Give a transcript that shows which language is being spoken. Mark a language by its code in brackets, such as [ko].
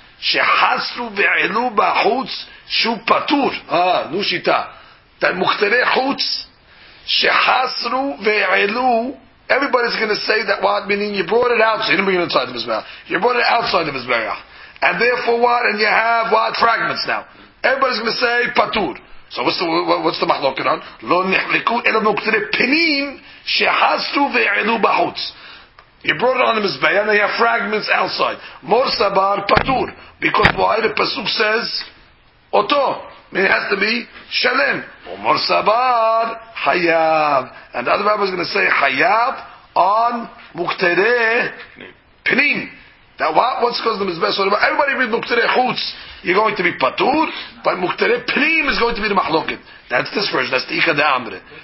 [he] Shehasru ve'elu bachutz שהוא פטור, נו שיטה, מוכתרי חוץ שחסרו ועלו, [en] everybody's going to say that what, meaning you brought it outside, you didn't bring it inside the Mizbeach, you brought it outside the Mizbeach, and therefore what, and you have what, fragments now, everybody's going to say פטור, so what's the מחלוקת on? [he] לא נחלקו אלא מוכתרי פנים שחסרו ועלו בחוץ. [en] You brought it on the Mizbeach and they have fragments outside. [he] מור סבר פטור, [en] because why? The Pasuk says oto, it has to be shalem. [he] Omar sabar hayav, [en] and the other rabbi is going to say hayav on muktere pinim. That what's because the mizbeach? Everybody read muktere chutz. You're going to be patur, but muktere pinim is going to be the machloket. That's this version. That's the ikad amre.